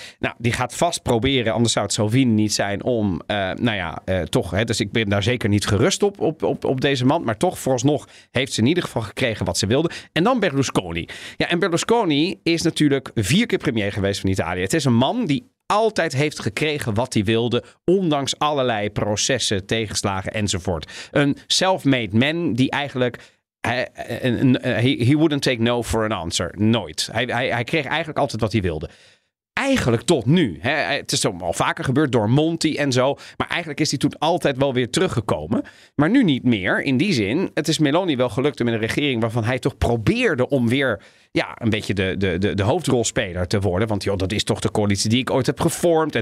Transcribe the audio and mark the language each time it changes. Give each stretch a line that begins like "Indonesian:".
Dutch: Nou, die gaat vast proberen, anders zou het Salvini niet zijn, om dus ik ben daar zeker niet gerust op deze man, maar toch, vooralsnog, heeft ze in ieder geval gekregen wat ze wilde. En dan Berlusconi. Ja, en Berlusconi is natuurlijk 4 keer premier geweest van Italië. Het is een man die altijd heeft gekregen wat hij wilde, ondanks allerlei processen, tegenslagen enzovoort. Een self-made man die eigenlijk...
English: He wouldn't take no for an answer.
Dutch: Nooit. Hij kreeg eigenlijk altijd wat hij wilde. Eigenlijk tot nu. Hè, het is al vaker gebeurd door Monti en zo. Maar eigenlijk is hij toen altijd wel weer teruggekomen. Maar nu niet meer. In die zin, het is Meloni wel gelukt om in een regering waarvan hij toch probeerde om weer... een beetje de hoofdrolspeler te worden. Want joh, dat is toch de coalitie die ik ooit heb gevormd.